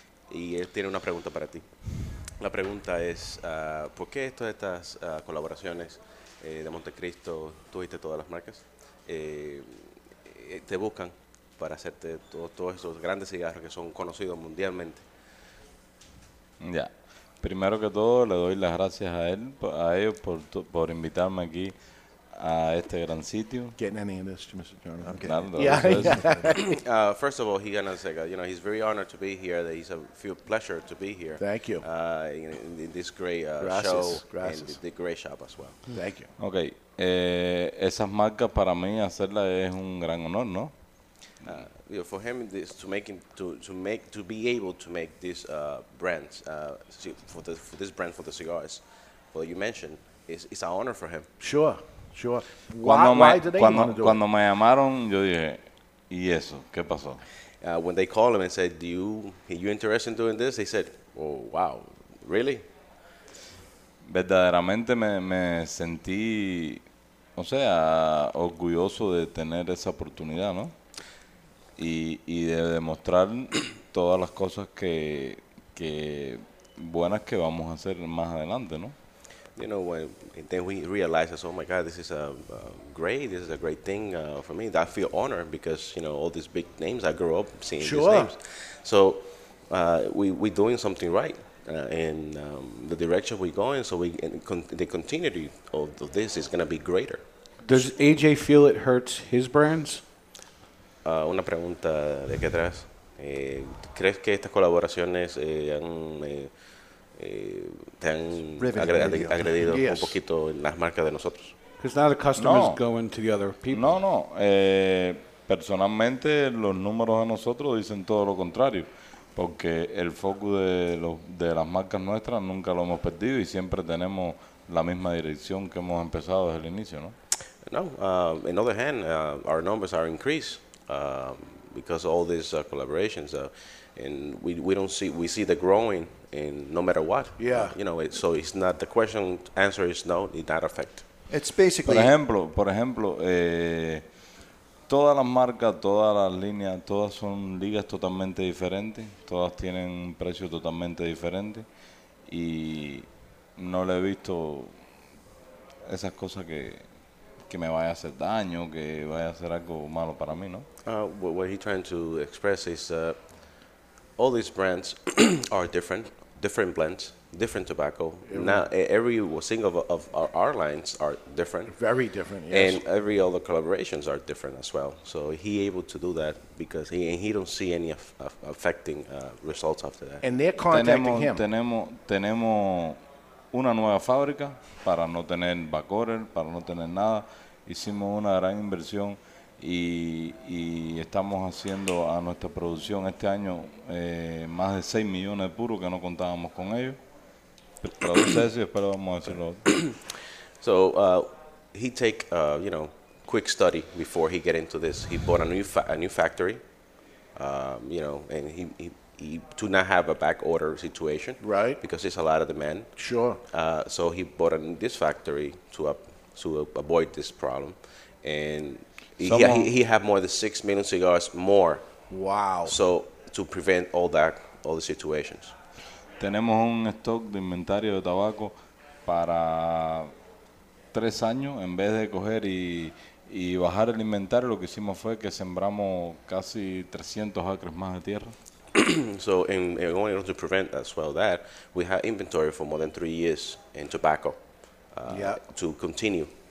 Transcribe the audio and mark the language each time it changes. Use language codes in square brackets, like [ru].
[es] Y él tiene una pregunta para ti. La pregunta es, ¿por qué estas colaboraciones de Montecristo, tú viste todas las marcas, te buscan para hacerte todos esos grandes cigarros que son conocidos mundialmente? Ya. Primero que todo, le doy las gracias a ellos por invitarme aquí a este gran sitio. [en] Getting any of this to Mr. Jordan. Okay. Nando, yeah. First of all, he's going to say, you know, he's very honored to be here. That he's a feel pleasure to be here. Thank you. In this great show. [es] Gracias. [en] And the great shop as well. Thank you. Okay. [es] Esas marcas para mí hacerlas es un gran honor, ¿no? [en] You know, for him, this to be able to make these brands for this brand for the cigars, well, you mentioned, it's an honor for him. Sure. Why did they want to do it? [es] Me llamaron, yo dije, ¿y eso? ¿Qué pasó? [en] When they called him and said, "Are you interested in doing this?" He said, "Oh, wow, really?" [es] Verdaderamente me sentí, o sea, orgulloso de tener esa oportunidad, ¿no? Y de demostrar todas las cosas que buenas que vamos a hacer más adelante, ¿no? [en] You know, then we realize, oh my God, this is a great thing for me. I feel honored because, you know, all these big names, I grew up seeing sure. these names. So we're doing something right. And the direction we're going, the continuity of this is going to be greater. Does AJ feel it hurts his brands? [es] Una pregunta de qué atrás. ¿Crees que estas colaboraciones han te han agredido un poquito en las marcas de nosotros. [en] Because now the customers no. going to the other people. [es] No, no. Personalmente, los números de nosotros dicen todo lo contrario. Porque el foco de las marcas nuestras nunca lo hemos perdido y siempre tenemos la misma dirección que hemos empezado desde el inicio, ¿no? No. [en] In other hand, our numbers are increased because of all these collaborations. And we see the growing in no matter what. Yeah. You know, so it's not the question, answer is no, it's not affect. It's basically... [es] Por ejemplo, todas las marcas, todas las líneas, todas son ligas totalmente diferentes. Todas tienen un precio totalmente diferente. Y no le he visto esas cosas que me vaya a hacer daño, que vaya a hacer algo malo para mí, ¿no? [en] What he's trying to express is all these brands are different. Different blends, different tobacco. Yeah. Now, every single of our lines are different. Very different, yes. And every other collaborations are different as well. So he able to do that because he don't see any affecting results after that. And they're contacting him. [es] Tenemos una nueva fábrica para no tener backorder, para no tener nada. Hicimos una gran inversión y estamos haciendo a nuestra producción este año más de 6 millones de puros que no contábamos con ellos. Pero vamos a decirlo. [en] So he take you know, quick study before he get into this. He bought a new factory, you know, and he to not have a back order situation, right? Because there's a lot of demand. Sure. So he bought this factory to avoid this problem, and he have more than 6 million cigars more. Wow. So to prevent all the situations. [es] Tenemos un stock de inventario de tabaco para 3 años. En vez de coger y bajar el inventario, lo que hicimos fue que sembramos casi 300 acres más de tierra. [en] So in order to prevent as well that, we have inventory for more than 3 years in tobacco to continue.